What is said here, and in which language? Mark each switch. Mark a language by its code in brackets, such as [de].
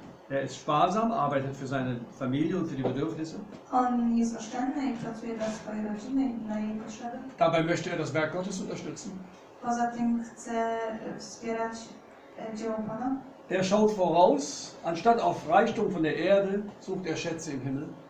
[de] Er ist sparsam, arbeitet für seine Familie und für die Bedürfnisse. [pl] On jest oszczędny i pracuje dla swojej rodziny i na jej potrzeby. [de] Dabei möchte er das Werk Gottes unterstützen. [pl] Poza tym chce wspierać. [de] Der schaut voraus, anstatt auf Reichtum von der Erde, sucht er Schätze im Himmel.